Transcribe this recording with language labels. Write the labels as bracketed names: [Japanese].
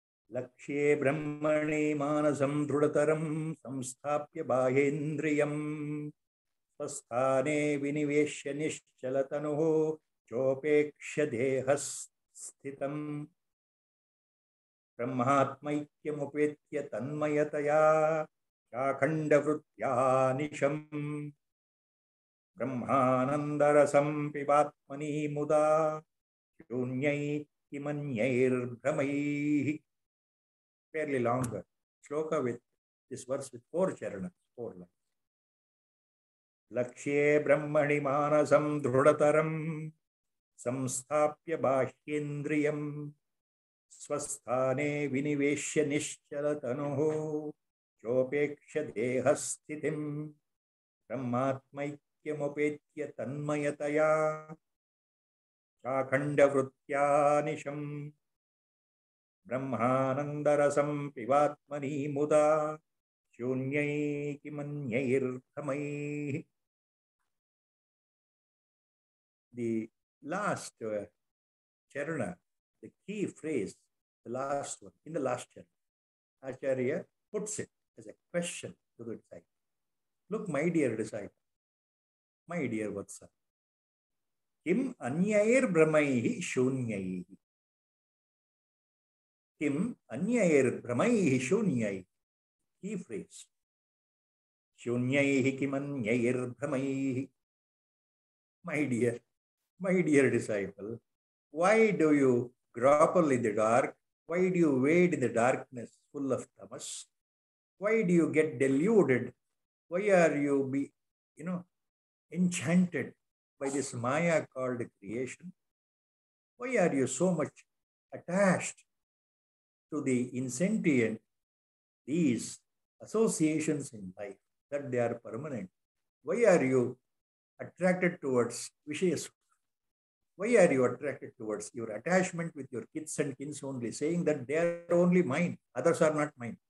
[Sanskrit] ಲಕ್ಷ್ಯೇ ಬ್ರಹ್ಮಣಿ ಮಾನಸಂ ದೃಢತರಂ ಸಂಸ್ಥಾಪ್ಯ ಬಾಹ್ಯೇಂದ್ರಿಯಂ ಸ್ವಸ್ಥಾನೇ ವಿನಿವೇಶ್ಯ ನಿಶ್ಚಲತನುಃ ಚೋಪೇಕ್ಷ್ಯ ದೇಹಸ್ಥಿತಂ ಬ್ರಹ್ಮಾತ್ಮೈಕ್ಯಮುಪೇತ್ಯ ತನ್ಮಯತಯಾ ಶಾಖಂಡವೃತ್ಯಾ ನಿಶಂ ಬ್ರಹ್ಮಾನಂದರಸಂ ಪಿಬಾತ್ಮನಿ ಮುದಾ ಶೂನ್ಯೈ ಕಿಮನ್ಯೈರ್ಭ್ರಮೈಃ. [English] Fairly longer shloka with this verse with four charanas, four lines. [Sanskrit] Lakshye brahmani manasam drudataram samsthapya bahyendriyam swasthane vinivesya nishchalatanuho chopeksha dehasthitim brahmatmaikyam upetya tanmayataya chakhanda vrutyanisham ಬ್ರಹ್ಮಾನಂದರಸಂ ಪಿವಾತ್ಮನಿ ಮುದಾ ಶೂನ್ಯೈ ಕಿಮನ್ಯೈರ್ಥಮೈ. [English] The last charana, the key phrase, the last one in the last charana, Acharya puts it as a question to the disciple. Look my dear disciple, my dear vatsa, [Sanskrit] ಕಿಂ ಅನ್ಯೈರ್ ಭ್ರಮೈಃ ಶೂನ್ಯೈಃ. ಕಿಂ ಅನ್ಯೈರ್ ಭ್ರಮೈ ಶೂನ್ಯೈ, ಈ phrase ಶೂನ್ಯೈ ಕಿಮನ್ಯೈರ್ ಭ್ರಮೈ. [English] My dear disciple, why do you grapple in the dark? Why do you wade in the darkness full of tamas? Why do you get deluded? Why are you be you know enchanted by this maya called creation? Why are you so much attached to the insentient, these associations in life, that they are permanent? Why are you attracted towards vishayas? Why are you attracted towards your attachment with your kids and kins only, saying that they are only mine, others are not mine?